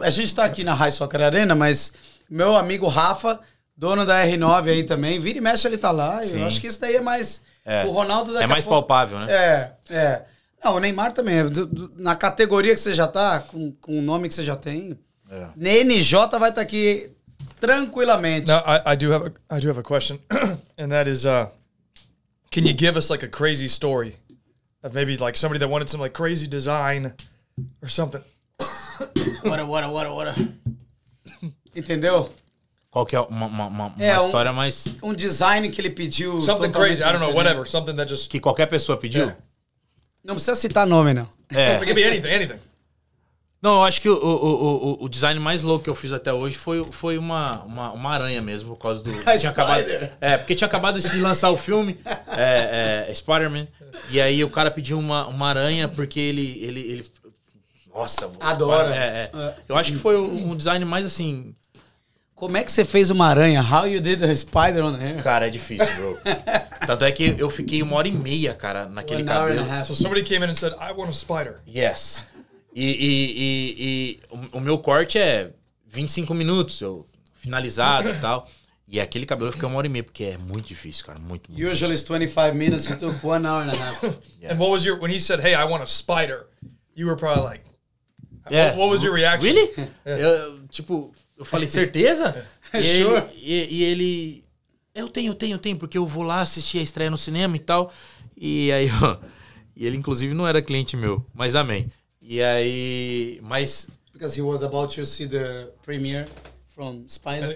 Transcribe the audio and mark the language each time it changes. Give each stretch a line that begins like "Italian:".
Portuguese: A gente tá aqui na High Soccer Arena, mas meu amigo Rafa, dono da R9 aí também, vira e mexe, ele tá lá. Sim. Eu acho que isso daí é mais. É. O Ronaldo é mais palpável, pouco... né? É. Não, o Neymar também. Na categoria que você já tá, com o nome que você já tem, é. NJ vai estar aqui tranquilamente.
English: Now, I do have a question, and that is, can you give us like a crazy story of maybe like somebody that wanted some like crazy design or something? What a.
Portuguese: Entendeu? Qual que é uma história mais... Um design que ele pediu.
English: Something crazy, diferente. I don't know, whatever. Something that just...
Portuguese: Que qualquer pessoa pediu? É. Não precisa citar nome, não. É.
English: It could be anything.
Portuguese: Não, eu acho que o design mais louco que eu fiz até hoje foi uma aranha mesmo, por causa do...
English: Spider?
Portuguese: Porque tinha acabado de lançar o filme, Spider-Man. E aí o cara pediu uma aranha porque ele nossa, você... Adora. Eu acho que foi um design mais assim... Como é que você fez uma aranha?
English: How you did a spider on him?
Portuguese: Cara, é difícil, bro. Tanto é que eu fiquei uma hora e meia, cara, naquele cabelo.
English: So somebody came in and said, I want a spider. Yes.
Portuguese: E o meu corte é 25 minutos, eu finalizado e tal. E aquele cabelo eu fiquei uma hora e meia, porque é muito difícil, cara. Muito.
English: Usually it's 25 minutes, it took 1.5 hours. Yes. And what was your, when he said, hey, I want a spider, you were probably like, yeah. What was your reaction? Really? Yeah.
Portuguese: Eu falei, certeza?
English: Sure.
Portuguese: E ele... Eu tenho, porque eu vou lá assistir a estreia no cinema e tal. E aí... E ele, inclusive, não era cliente meu. Mas amém. E aí... Mas...
English: Because he was about to see the premiere from Spider.